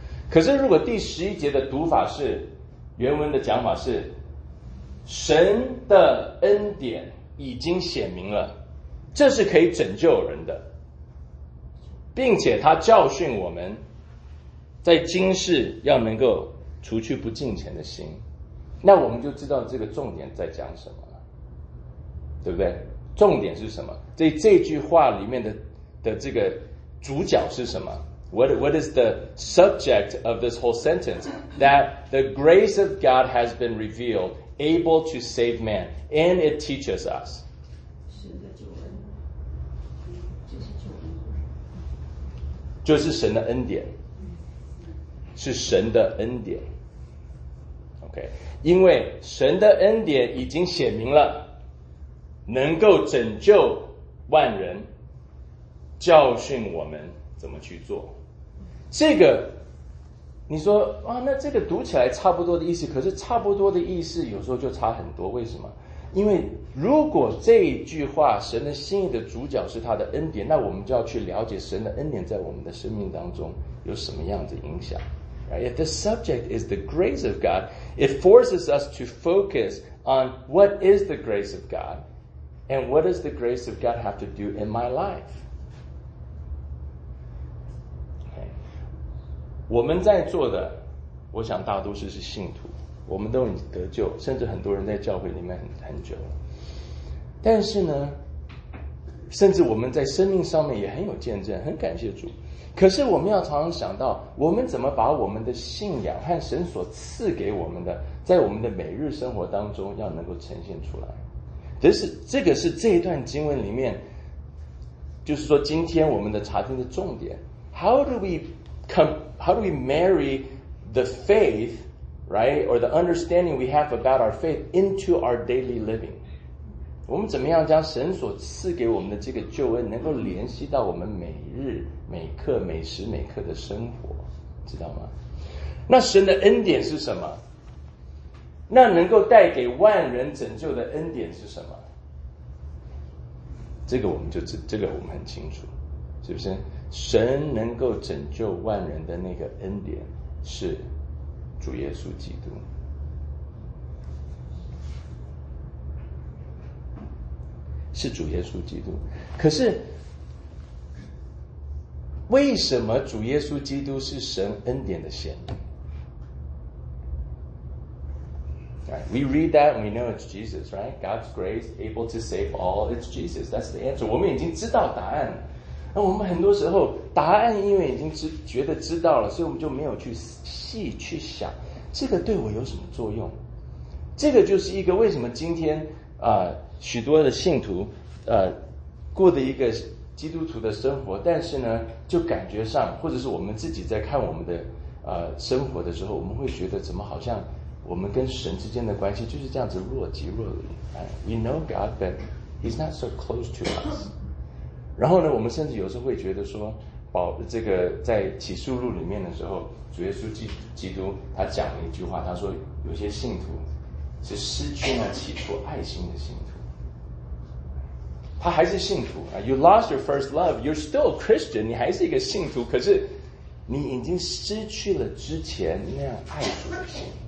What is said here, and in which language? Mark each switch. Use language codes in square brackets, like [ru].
[zh] 可是如果第十一节的读法是原文的讲法是神的恩典已经显明了，这是可以拯救人的，并且他教训我们在今世要能够除去不敬虔的心，那我们就知道这个重点在讲什么了，对不对？重点是什么？所以这句话里面 的这个主角是什么？ [en] What is the subject of this whole sentence? That the grace of God has been revealedable to save man, and it teaches us. [zh] 神的救恩，就是救恩，就是神的恩典，是神的恩典。 OK， 因为神的恩典已经显明了，能够拯救万人，教训我们怎么去做。这个你说啊，那这个读起来差不多的意思，可是差不多的意思有时候就差很多。为什么？因为如果这一句话神的心意的主角是他的恩典，那我们就要去了解神的恩典在我们的生命当中有什么样子影响。 [en] Right? If the subject is the grace of God, it forces us to focus on what is the grace of God and what does the grace of God have to do in my life? [zh] 我们在座的，我想大多数是信徒，我们都已经得救，甚至很多人在教会里面 很久。但是呢，甚至我们在生命上面也很有见证，很感谢主。可是我们要常常想到，我们怎么把我们的信仰和神所赐给我们的，在我们的每日生活当中要能够呈现出来。这是这个是这一段经文里面，就是说今天我们的查经的重点。 [en] How do we marry the faith, right, or the understanding we have about our faith into our daily living? [zh] 我们怎么样将神所赐给我们的这个救恩能够联系到我们每日每刻每时每刻的生活，知道吗？那神的恩典是什么？那能够带给万人拯救的恩典是什么？这个我们就这个我们很清楚，是不是？神能够拯救万人的那个恩典是主耶稣基督。是主耶稣基督。可是为什么主耶稣基督是神恩典的显明？ [en] Right, we read that and we know it's Jesus, right? God's grace able to save all, it's Jesus. That's the answer. [zh] 我们已经知道答案了。那我们很多时候答案因为已经觉得知道了，所以我们就没有去细去想这个对我有什么作用。这个就是一个为什么今天许多的信徒过的一个基督徒的生活，但是呢就感觉上，或者是我们自己在看我们的生活的时候，我们会觉得怎么好像我们跟神之间的关系就是这样子若即若离。 [en] We know God, but He's not so close to us. [zh] 然后呢我们甚至有时候会觉得说，这个在启示录里面的时候，主耶稣基督他讲了一句话，他说有些信徒是失去那起初爱心的信徒，他还是信徒。 [en] You lost your first love, you're still a Christian, [zh] 你还是一个信徒，可是你已经失去了之前那样爱主的心。